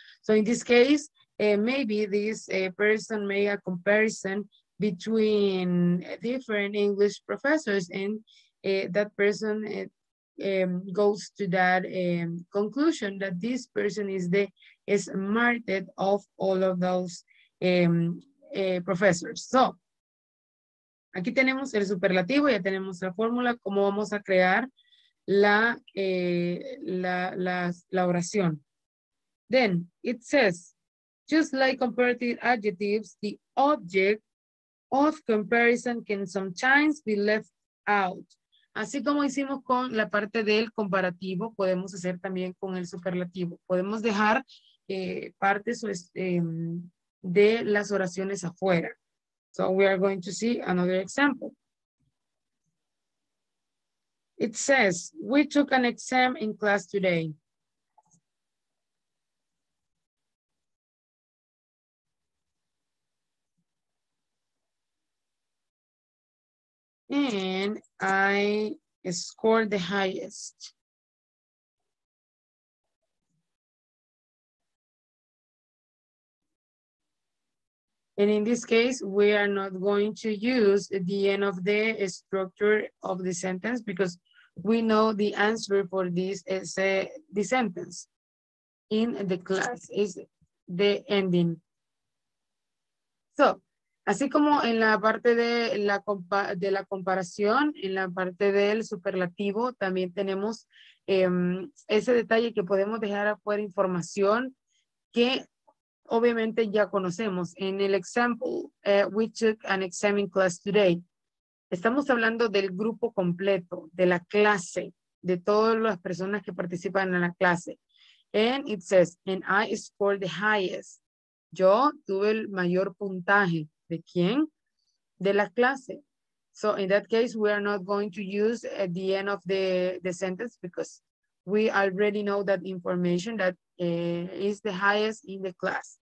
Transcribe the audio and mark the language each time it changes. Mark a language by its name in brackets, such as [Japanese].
[English] So in this case, maybe this person made a comparison between different English professors, and that person goes to that conclusion that this person is the smartest of all of those professors. [Spanish] So, aquí tenemos el superlativo, ya tenemos la fórmula, cómo vamos a crear la, la oración. [English] Then, it says, just like comparative adjectives, the object of comparison can sometimes be left out. [Spanish] Así como hicimos con la parte del comparativo, podemos hacer también con el superlativo. Podemos dejar partes de las oraciones afuera. [English] So we are going to see another example. It says, we took an exam in class today. And I scored the highest. And in this case, we are not going to use the end of the structure of the sentence because we know the answer for this is the sentence in the class is the ending. [Spanish] So, así como en la parte de la, comparación, en la parte del superlativo, también tenemos ese detalle que podemos dejar afuera información que obviamente ya conocemos. En el [English] example, we took an exam in class today. [Spanish] Estamos hablando del grupo completo, de la clase, de todas las personas que participan en la clase. [English] And it says, and I scored the highest. [Spanish] Yo tuve el mayor puntaje. ¿De quién? De la clase. [English] So in that case, we are not going to use at the end of the sentence because we already know that information that is the highest in the class.